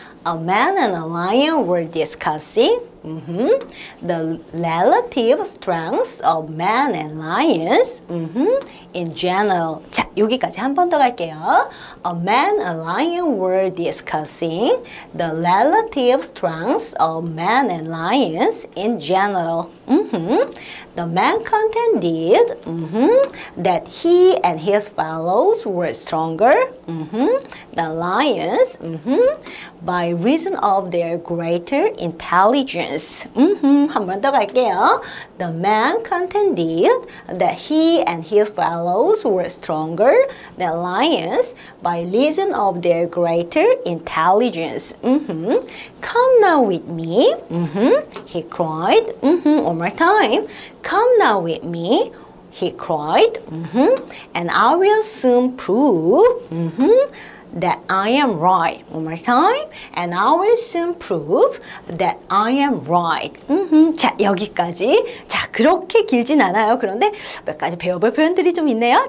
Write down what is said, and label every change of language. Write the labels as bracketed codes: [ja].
[en] A man and a lion were discussing the relative strengths of men and lions in general. [ko] 자, 여기까지 한 번 더 갈게요. [en] A man and a lion were discussing the relative strengths of men and lions in general. The man contended that he and his fellows were stronger than lions by reason of their greater intelligence. [ko] 한 번 더 갈게요. [en] The man contended that he and his fellows were stronger than lions by reason of their greater intelligence. Come now with me, he cried. One more time. Come now with me, he cried. And I will soon prove that I am right. One more time. And I will soon prove that I am right. [ko] 자, 여기까지. 자, 그렇게 길진 않아요. 그런데 몇 가지 배워볼 표현들이 좀 있네요.